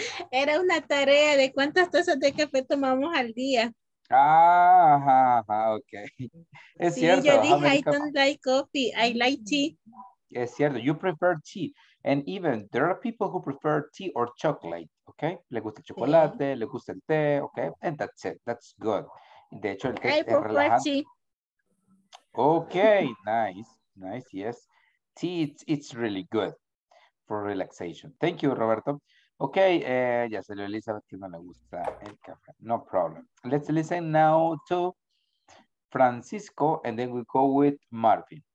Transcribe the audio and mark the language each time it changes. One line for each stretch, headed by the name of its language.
Spanish: Era una tarea de cuántas tazas de café tomamos al día. Ah, ok. Es sí, cierto. Yo dije,
English: I don't like coffee, I like tea.
Spanish: Es cierto,
English: you prefer tea. And even, there are people who prefer tea or chocolate, ok?
Spanish: Le gusta el chocolate, sí. Le gusta el té, ok?
English: And that's it, that's good.
Spanish: De hecho, el té
English: I
Spanish: es relajante.
English: Tea. Ok, nice, yes. Tea, it's really good for relaxation. Thank you, Roberto.
Spanish: Ok, ya salió Elizabeth que no le gusta el café.
English: No problem. Let's listen now to Francisco and then we go with Marvin.